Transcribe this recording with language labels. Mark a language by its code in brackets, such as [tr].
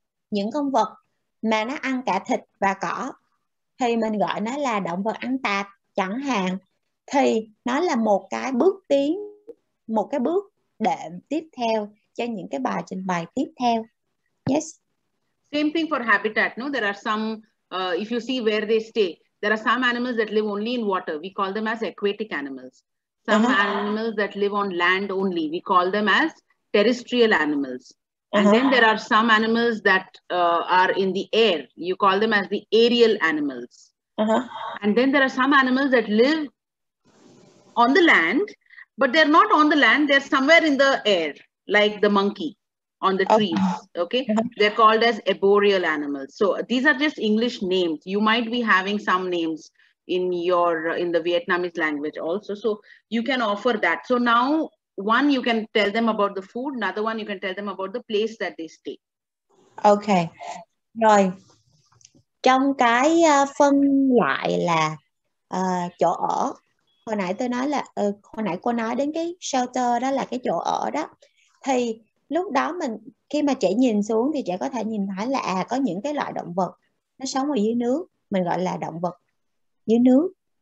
[vi] Những con vật mà nó ăn cả thịt và cỏ thì mình gọi nó là động vật ăn tạp chẳng hạn. Thì nó là một cái bước tiến, một cái bước đệm tiếp theo cho những cái bài trình bày tiếp theo. [en] Yes. Same thing for habitat, no? There are some, if you see where they stay, there are some animals that live only in water. We call them as aquatic animals. Some uh-huh. animals that live on land only, we call them as terrestrial animals. Uh-huh. And then there are some animals that are in the air. You call them as the aerial animals. Uh-huh. And then there are some animals that live on the land, but they're not on the land, they're somewhere in the air, like the monkey. On the trees, okay? They're called as arboreal animals. So these are just English names. You might be having some names in your in the Vietnamese language also. So you can offer that. So now, one, you can tell them about the food. Another one, you can tell them about the place that they stay. [vi] Okay. Rồi. Trong cái phân loại là chỗ ở. Hồi nãy tôi nói là, hồi nãy cô nói đến cái shelter đó là cái chỗ ở đó. Thì lúc đó mình khi mà trẻ nhìn xuống thì trẻ có thể nhìn thấy là à, có những cái loại động vật nó sống ở dưới nước, mình gọi là động vật dưới nước.